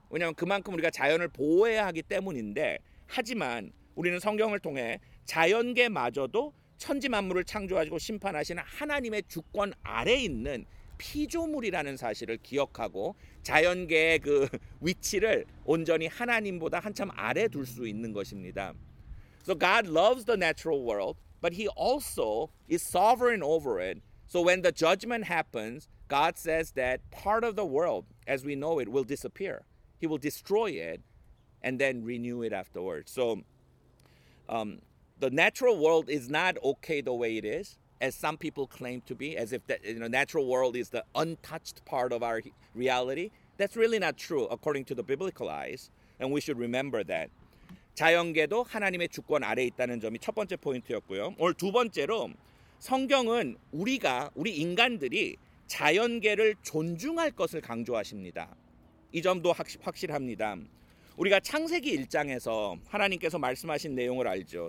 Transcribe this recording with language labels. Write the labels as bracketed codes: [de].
[ko] 왜냐하면 그만큼 우리가 자연을 보호해야 하기 때문인데 하지만 우리는 성경을 통해 자연계마저도 천지만물을 창조하시고 심판하시는 하나님의 주권 아래 있는 피조물이라는 사실을 기억하고 자연계의 그 위치를 온전히 하나님보다 한참 아래 둘 수 있는 것입니다. [en] So God loves the natural world, but he also is sovereign over it. So when the judgment happens, God says that part of the world, as we know it, will disappear. He will destroy it and then renew it afterwards. So the natural world is not okay the way it is, as some people claim to be, as if the natural world is the untouched part of our reality. That's really not true, according to the biblical eyes, and we should remember that. [ko] 자연계도 하나님의 주권 아래 있다는 점이 첫 번째 포인트였고요. 오늘 두 번째로 성경은 우리 인간들이 자연계를 존중할 것을 강조하십니다. 이 점도 확실합니다. 우리가 창세기 1장에서 하나님께서 말씀하신 내용을 알죠.